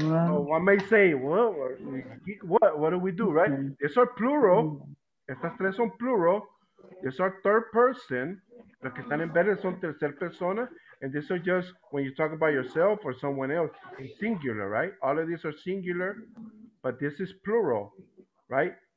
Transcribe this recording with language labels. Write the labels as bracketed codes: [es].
[en] so one may say, what do we do, right? These are plural. [es] Estas tres son plural. [en] These are third person. [es] Los que están en verde son tercer persona. [en] And these are just when you talk about yourself or someone else, in singular, right? All of these are singular, but this is plural, right?